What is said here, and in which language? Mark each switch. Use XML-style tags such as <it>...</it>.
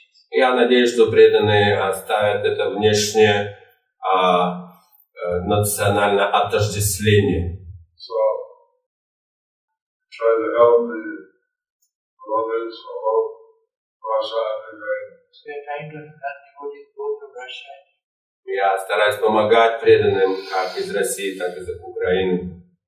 <ru>я надеюсь, что преданные оставят это внешнее национальное отождествление.</ru> <en>So, try to help the brothers of Russia and Ukraine. We are trying to help devotees both of Russia.</en> <ru>Я стараюсь помогать преданным как из России, так и из Украины.</ru>